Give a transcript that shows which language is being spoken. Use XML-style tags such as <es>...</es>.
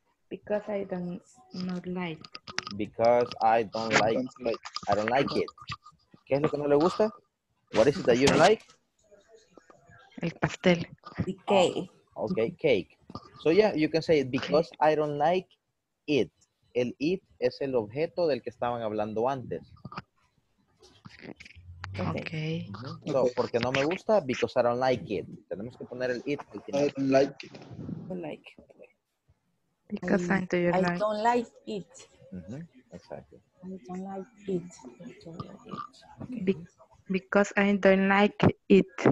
<en>Because I don't not light. Because I don't like it. I don't like it.</en> <es>¿Qué es lo que no le gusta?</es> <en>What is it that you don't like?</en> <es>El pastel.</es> <en>The cake. Oh, okay, cake. So yeah, you can say it because cake. I don't like it.</en> <es>El it es el objeto del que estaban hablando antes.</es> <en>Okay. So,</en> <es>porque no me gusta,</es> <en>because I don't like it.</en> <es>Tenemos que poner el it.</es> <en>I don't like it. I don't like it. Because I don't like it. I don't like it. Mm-hmm. Exactly. I don't like it. I don't like it. Okay. Because I don't like it.</en>